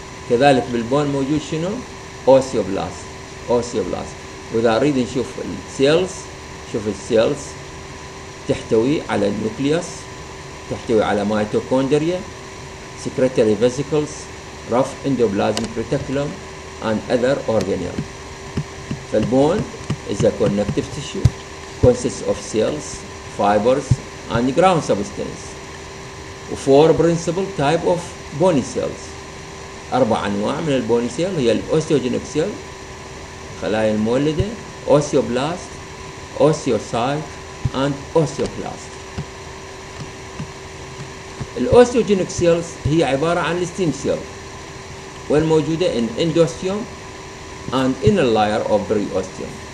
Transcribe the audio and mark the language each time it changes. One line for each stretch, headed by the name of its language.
Arabic: كذلك بالبون موجود شنو؟ أوسيوبلاست. أوسيوبلاست. وإذا أريد نشوف السيلز، شوف السيلز تحتوي على النوكليوس، تحتوي على ميتوكوندريا، سكرتري فيسيكلز،
English: rough endoplasmic reticulum and other organelles. The bone is a connective tissue consists of cells, fibers and ground substance. Four principal type of bony cells.
Arabic: أربع أنواع من البوني سيل هي الأوستيوجينيك سيل خلايا المولدة, أوسيوبلاست, أوسيوسايت and أوسيوكلاست. الأوستيوجينيك سيلز هي عبارة عن الستيم سيل والموجودة
English: in endosteum and inner layer of periosteum.